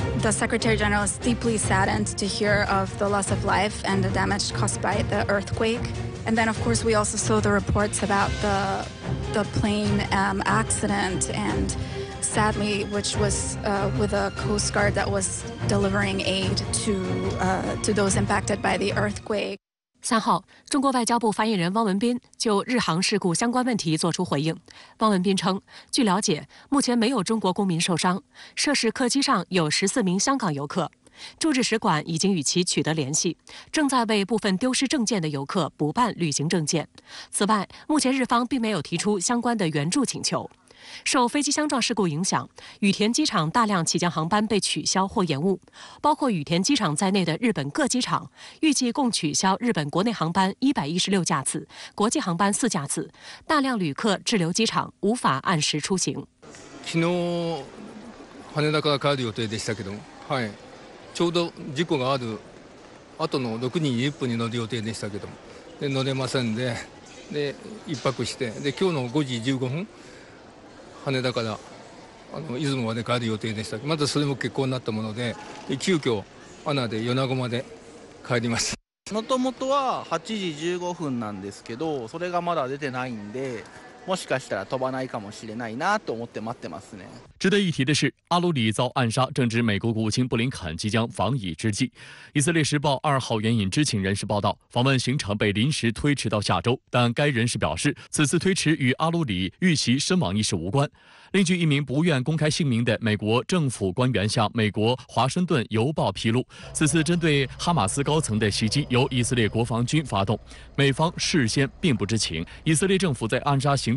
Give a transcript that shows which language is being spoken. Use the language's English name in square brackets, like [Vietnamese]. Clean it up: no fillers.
[English] The Secretary General is deeply saddened to hear of the loss of life and the damage caused by the earthquake. And then, of course, we also saw the reports about the plane accident and sadly, which was with a Coast Guard that was delivering aid to those impacted by the earthquake. [Chinese] 三号，中国外交部发言人汪文斌就日航事故相关问题作出回应。汪文斌称，据了解，目前没有中国公民受伤，涉事客机上有14名香港游客，驻日使馆已经与其取得联系，正在为部分丢失证件的游客补办旅行证件。此外，目前日方并没有提出相关的援助请求。受飞机相撞事故影响，羽田机场大量起降航班被取消或延误，包括羽田机场在内的日本各机场预计共取消日本国内航班116架次，国际航班4架次，大量旅客滞留机场无法按时出行。 [Japanese] 昨日羽田から帰る予定でしたけど、はい、ちょうど事故がある後の6時20分に乗る予定でしたけど、で乗れませんで、で一泊して、で今日の5時15分。羽田から出雲まで帰る予定でした。まだそれも欠航になったもので、急遽アナで米子まで帰ります。もともとは8時15分なんですけど、それがまだ出てないんで、もしかしたら飛ばないかもしれないなと思って待ってますね。 [Chinese] 值得一提的是，阿鲁里遭暗杀正值美国国务卿布林肯即将访以之际。以色列时报二号援引知情人士报道，访问行程被临时推迟到下周，但该人士表示，此次推迟与阿鲁里遇袭身亡一事无关。另据一名不愿公开姓名的美国政府官员向美国《华盛顿邮报》披露，此次针对哈马斯高层的袭击由以色列国防军发动，美方事先并不知情。以色列政府在暗杀行